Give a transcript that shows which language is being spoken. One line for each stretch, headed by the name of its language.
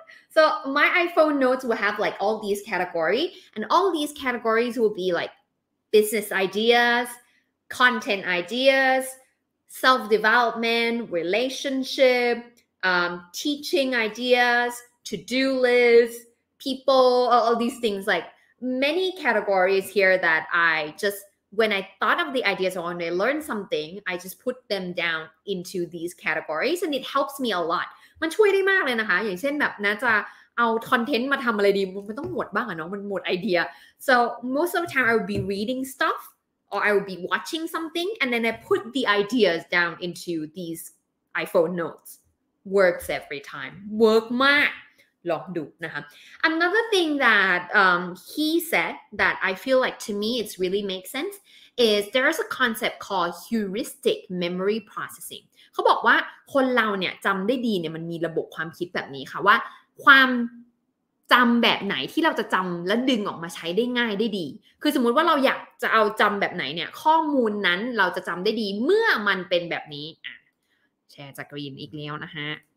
English: So my iPhone notes will have like all these categories, and all these categories will be like business ideas,content ideas, self-development, relationship, teaching ideas, to-do lists, people, all these things, like many categories here that I just, when I thought of the ideas or when I learned something, I just put them down into these categories and it helps me a lot.
Thai: มันช่วยได้มากเลยนะคะอย่างเช่นแบบน่าจะเอาคอนเทนต์มาทำอะไรดีมันต้องหมดบ้างอะเนาะมันหมดไอเดีย
English: So most of the time I would be reading stuffOr I will be watching something, and then I put the ideas down into these iPhone notes. Works every time. Work
Thai: มาก ลองดูนะคะ
English: Another thing that he said that I feel like to me it's really makes sense is there is a concept called heuristic memory processing.
Thai: เขาบอกว่าคนเราเนี่ยจำได้ดีเนี่ยมันมีระบบความคิดแบบนี้ค่ะว่าความจำแบบไหนที่เราจะจำและดึงออกมาใช้ได้ง่ายได้ดีคือสมมุติว่าเราอยากจะเอาจำแบบไหนเนี่ยข้อมูลนั้นเราจะจำได้ดีเมื่อมันเป็นแบบนี้แชร์จากกรีนอีกแล้วนะฮะ